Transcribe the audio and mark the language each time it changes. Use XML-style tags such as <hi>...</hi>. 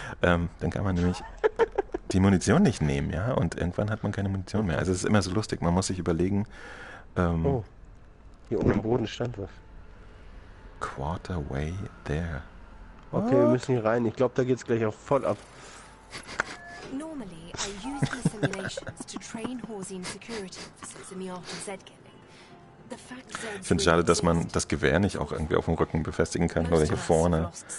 <de>Dann kann man nämlich die Munition nicht nehmen, ja? Und irgendwann hat man keine Munition mehr. Also, es ist immer so lustig. Man muss sich überlegen. Oh, hier oben am Boden stand was.</de> <en>Quarter way there. What?</en> <de>Okay, wir müssen hier rein. Ich glaube, da geht's gleich auch voll ab.</de> <en>Normally, I use the simulations to train Horsin security officers in the art of Z-Killing.</en> <de>Ich finde es schade, dass man das Gewehr nicht auch irgendwie auf dem Rücken befestigen kann, oder hier vorne.</de>